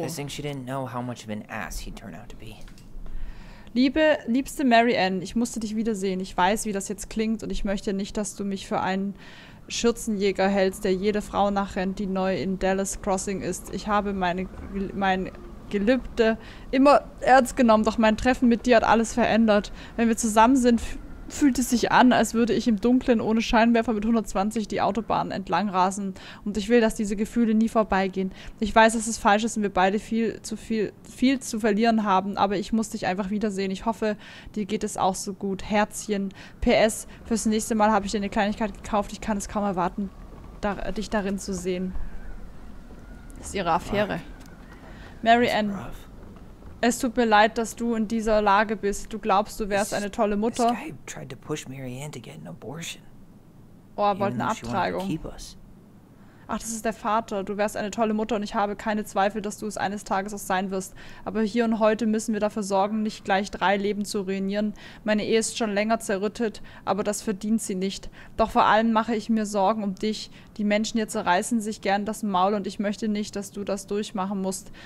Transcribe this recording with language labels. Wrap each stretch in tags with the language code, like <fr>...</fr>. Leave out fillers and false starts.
<en>Guessing she didn't know how much of an ass he'd turn out to be.</en> <de>Liebste Marianne, ich musste dich wiedersehen. Ich weiß, wie das jetzt klingt und ich möchte nicht, dass du mich für einen Schürzenjäger hältst, der jede Frau nachrennt, die neu in Dallas Crossing ist. Ich habe mein Gelübde immer ernst genommen, doch mein Treffen mit dir hat alles verändert. Wenn wir zusammen sind, fühlt es sich an, als würde ich im Dunkeln ohne Scheinwerfer mit 120 die Autobahn entlang rasen. Und ich will, dass diese Gefühle nie vorbeigehen. Ich weiß, dass es falsch ist und wir beide viel zu verlieren haben, aber ich muss dich einfach wiedersehen. Ich hoffe, dir geht es auch so gut. Herzchen. PS, fürs nächste Mal habe ich dir eine Kleinigkeit gekauft. Ich kann es kaum erwarten, dich darin zu sehen. Das ist ihre Affäre. Marianne, Es tut mir leid, dass du in dieser Lage bist. Du glaubst, du wärst eine tolle Mutter.</de> <en>This guy tried to push Marianne to get an abortion.</en> <de>Oh, er wollte eine Abtreibung. Ach, das ist der Vater. Du wärst eine tolle Mutter und ich habe keine Zweifel, dass du es eines Tages auch sein wirst. Aber hier und heute müssen wir dafür sorgen, nicht gleich drei Leben zu ruinieren. Meine Ehe ist schon länger zerrüttet, aber das verdient sie nicht. Doch vor allem mache ich mir Sorgen um dich. Die Menschen hier zerreißen sich gern das Maul und ich möchte nicht, dass du das durchmachen musst.</de>